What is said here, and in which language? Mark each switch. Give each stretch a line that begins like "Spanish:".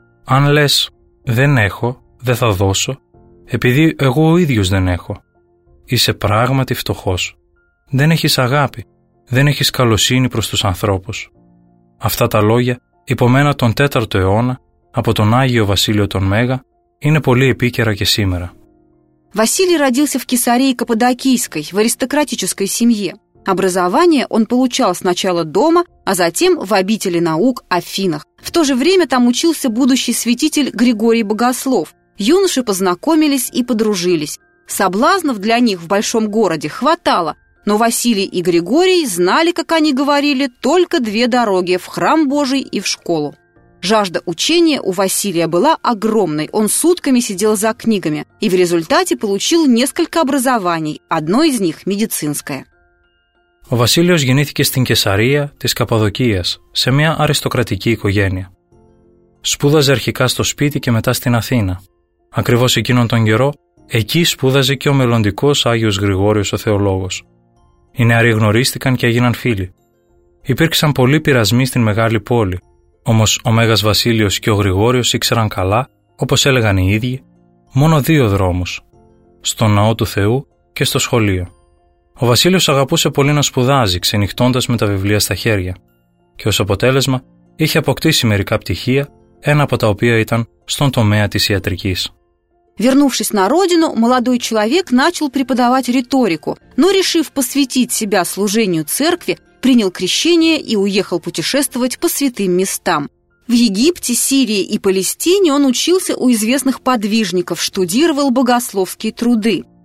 Greek: Αν λες «δεν έχω», «δεν θα δώσω», επειδή εγώ ο ίδιος δεν έχω, είσαι πράγματι φτωχός. Δεν έχεις αγάπη, δεν έχεις καλοσύνη προς τους ανθρώπους. Αυτά τα λόγια, υπομένα τον 4ο αιώνα, από τον Άγιο Βασίλειο τον Μέγα, είναι πολύ επίκαιρα και σήμερα.
Russian: Василий родился в Кесарии Каппадокийской, в аристократической семье. Образование он получал сначала дома, а затем в обители наук Афинах. В то же время там учился будущий святитель Григорий Богослов. Юноши познакомились и подружились. Соблазнов для них в большом городе хватало, но Василий и Григорий знали, как они говорили, только две дороги – в храм Божий и в школу. Жажда учения у Василия была огромной, он сутками сидел за книгами и в результате получил несколько образований, одно из них – медицинское.
Greek: Ο Βασίλειος γεννήθηκε στην Κεσαρία της Καπαδοκίας, σε μια αριστοκρατική οικογένεια. Σπούδαζε αρχικά στο σπίτι και μετά στην Αθήνα. Ακριβώς εκείνον τον καιρό, εκεί σπούδαζε και ο μελλοντικός Άγιος Γρηγόριος ο Θεολόγος. Οι νεαροί γνωρίστηκαν και έγιναν φίλοι. Υπήρξαν πολλοί πειρασμοί στην μεγάλη πόλη. Όμως ο Μέγας Βασίλειος και ο Γρηγόριος ήξεραν καλά, όπως έλεγαν οι ίδιοι, μόνο δύο δρόμους. Στο ναό του Θεού και στο σχολείο. Ο Βασίλειος αγαπούσε πολύ να σπουδάζει, ξενυχτώντας με τα βιβλία στα χέρια. Και ως αποτέλεσμα είχε αποκτήσει μερικά πτυχία, ένα από τα οποία ήταν στον τομέα της ιατρικής.
Russian: Вернувшись на родину, молодой человек начал преподавать риторику, но, решив посвятить себя служению церкви, принял крещение и уехал путешествовать по святым местам. В Египте, Сирии и Палестине он учился у известных подвижников, штудировал богословские труды.